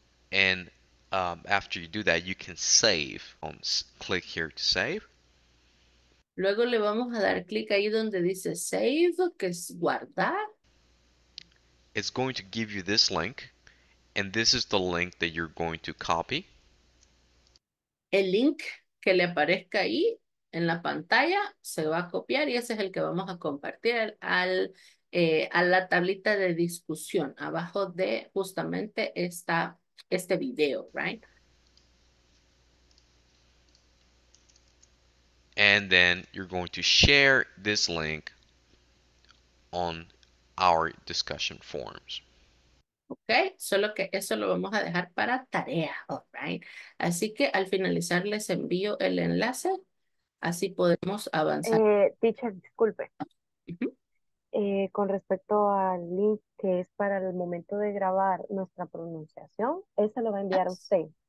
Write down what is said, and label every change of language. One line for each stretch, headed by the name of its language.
English: And after you do that, you can save. Click here to save.
Spanish: Luego le vamos a dar click ahí donde dice save, que es guardar.
English: It's going to give you this link. And this is the link that you're going to copy.
Spanish: El link que le aparezca ahí en la pantalla se va a copiar y ese es el que vamos a compartir a la tablita de discusión abajo de justamente este video,
English: right? And then you're going to share this link on our discussion forums.
Spanish: Okay, solo que eso lo vamos a dejar para tarea,
English: all right?
Spanish: Así que al finalizar les envío el enlace, así podemos avanzar. Teacher, disculpe. Uh-huh. Con respecto al link que es para el momento de grabar nuestra pronunciación, ese lo va a enviar a usted.